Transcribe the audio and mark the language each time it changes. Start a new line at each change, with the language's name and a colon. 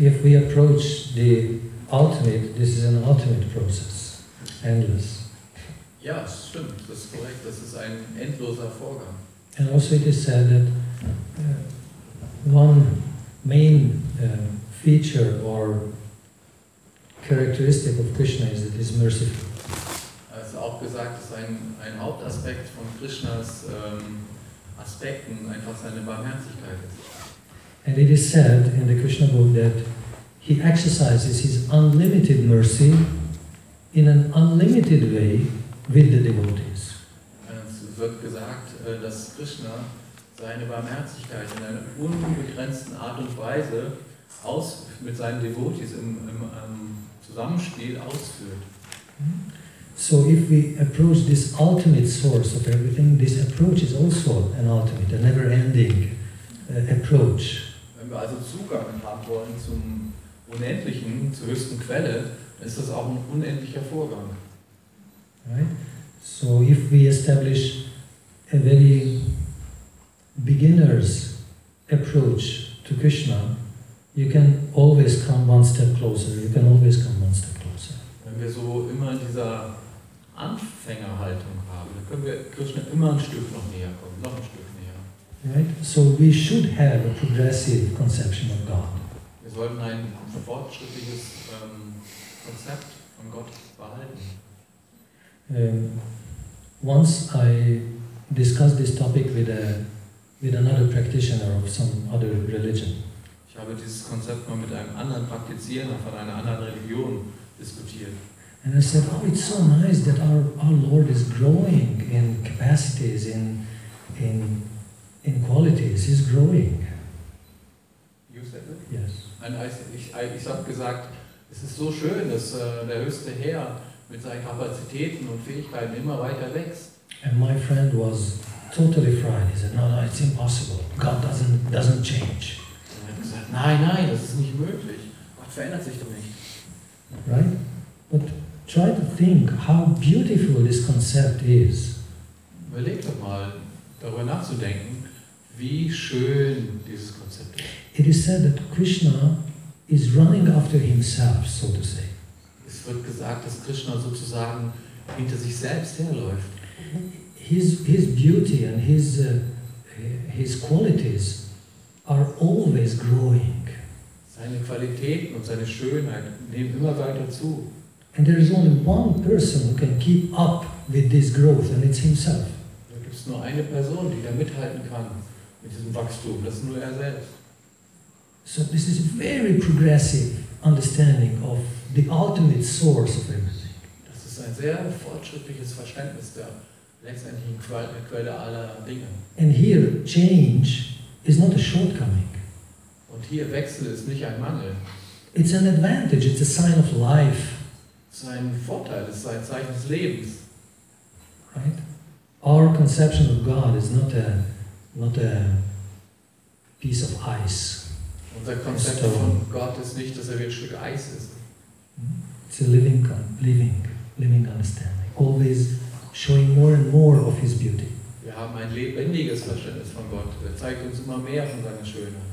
English: If we approach the ultimate, this is an ultimate process, endless.
German: Ja, stimmt. Das ist korrekt. Das ist ein endloser Vorgang.
English: And also it is said that one main feature or characteristic of Krishna is that he is merciful.
German: Also auch gesagt, dass ein Hauptaspekt von Krishnas Aspekten einfach seine Barmherzigkeit ist.
English: And it is said in the Krishna book that He exercises his unlimited mercy in an unlimited way with the devotees.
German: Es wird gesagt, dass Krishna seine Barmherzigkeit in einer unbegrenzten Art und Weise aus mit seinen Devotees im Zusammenspiel ausführt.
English: So if we approach this ultimate source of everything, this approach is also an ultimate, a never-ending approach.
German: Wenn wir also Zugang haben wollen zum Unendlichen, zur höchsten Quelle, ist das auch ein unendlicher Vorgang.
English: Right? So if we establish a very beginner's approach to Krishna, you can always come one step closer, you can always come one step closer.
German: Wenn wir so immer in dieser Anfängerhaltung haben, dann können wir Krishna immer ein Stück noch näher kommen, noch ein Stück näher.
English: Right? So we should have a progressive conception of God.
German: Wir sollten ein fortschrittliches Konzept von Gott behalten.
English: Once I discussed this topic with another practitioner of some other religion.
German: Ich habe dieses Konzept mal mit einem anderen Praktizierer von einer anderen Religion diskutiert.
English: And I said, oh, it's so nice that our Lord is growing in capacities, in qualities. He's growing. You said it? Yes.
German: And ich habe gesagt, es ist so schön, dass der höchste Herr mit seinen Kapazitäten und Fähigkeiten immer weiter wächst.
English: And my friend was totally fried. He said, no, it's impossible. God doesn't change.
German: Und er hat gesagt, nein, das ist nicht möglich. Gott verändert sich doch nicht.
English: Right? But try to think how beautiful this concept is.
German: Überleg doch mal, darüber nachzudenken, wie schön dieses Konzept ist.
English: It is said that Krishna is running after himself, so to say.
German: Es wird gesagt, dass Krishna sozusagen hinter sich selbst herläuft.
English: His beauty and his qualities are always growing.
German: Seine Qualitäten und seine Schönheit nehmen immer weiter zu.
English: And there is only one person who can keep up with this growth, and it's himself.
German: Da gibt's nur eine Person, die da mithalten kann mit diesem Wachstum. Das ist nur er selbst.
English: So this is a very progressive understanding of the ultimate source of everything.
German: Das ist ein sehr fortschrittliches Verständnis der letztendlichen Quelle aller Dinge.
English: And here, change is not a shortcoming.
German: Und hier Wechsel ist nicht ein Mangel.
English: It's an advantage. It's a sign of life.
German: Es ist ein Vorteil, es ist ein Zeichen des Lebens.
English: Right? Our conception of God is not a piece of ice.
German: Unser Konzept von Gott ist nicht, dass er wie ein Stück Eis ist.
English: It's a living understanding. Always showing more and more of his beauty.
German: Wir haben ein lebendiges Verständnis von Gott. Er zeigt uns immer mehr von seiner Schönheit.